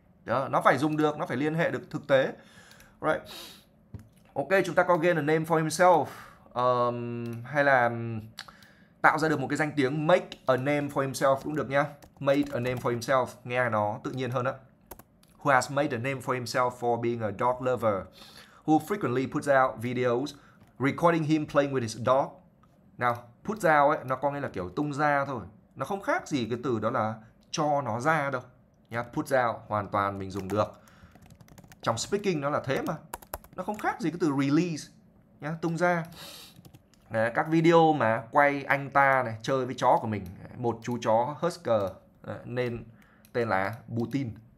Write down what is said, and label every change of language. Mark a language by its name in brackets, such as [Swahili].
[Vietnamese] Đó, nó phải dùng được, nó phải liên hệ được thực tế. [English] Right. [Vietnamese] Ok, chúng ta có [English] gain a name for himself. [Vietnamese] Hay là tạo ra được một cái danh tiếng, [English] make a name for himself [Vietnamese] cũng được nhá. [English] Make a name for himself [Vietnamese] nghe nó tự nhiên hơn á. [English] Who has made a name for himself for being a dog lover? Who frequently puts out videos recording him playing with his dog? [Vietnamese] Now, put out ấy, nó có nghĩa là kiểu tung ra thôi. Nó không khác gì cái từ đó là cho nó ra đâu. Nhá, put out hoàn toàn mình dùng được. Trong speaking nó là thế mà. Nó không khác gì cái từ release nhá, tung ra. Đấy, các video mà quay anh ta này chơi với chó của mình, một chú chó Husker nên tên là Putin.